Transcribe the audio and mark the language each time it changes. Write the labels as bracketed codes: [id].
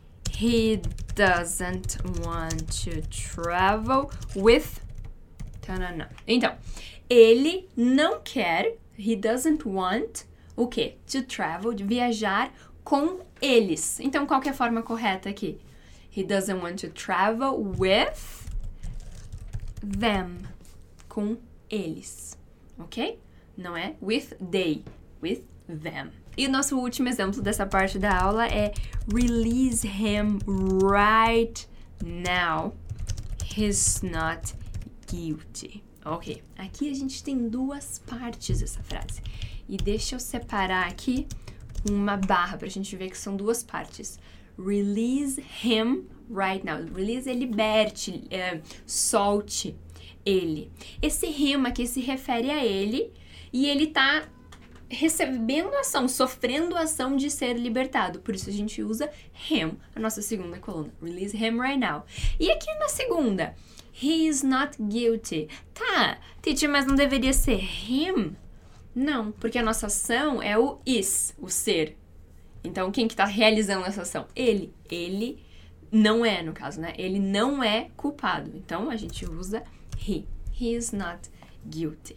[en] He doesn't want to travel with... Ta-na-na. [pt] Então, ele não quer, [en] he doesn't want, [pt] o quê? [en] To travel, [pt] de viajar com eles. Então, qual que é a forma correta aqui? [en] He doesn't want to travel with them, [pt] com eles, [en] ok? [pt] Não é [en] with they, with them. [pt] E o nosso último exemplo dessa parte da aula é [en] release him right now. He's not guilty. [pt] Ok. Aqui a gente tem duas partes dessa frase. E deixa eu separar aqui uma barra pra gente ver que são duas partes. [en] Release him right now. Release [pt] é liberte, solte ele. Esse him aqui se refere a ele e ele tá... recebendo ação, sofrendo ação de ser libertado. Por isso a gente usa him, a nossa segunda coluna. [en] Release him right now. [pt] E aqui na segunda, [en] he is not guilty. [pt] Tá, teacher, mas não deveria ser him? Não, porque a nossa ação é o is, o ser. Então, quem que tá realizando essa ação? Ele. Ele não é, no caso, né? Ele não é culpado. Então, a gente usa he. [en] He is not guilty.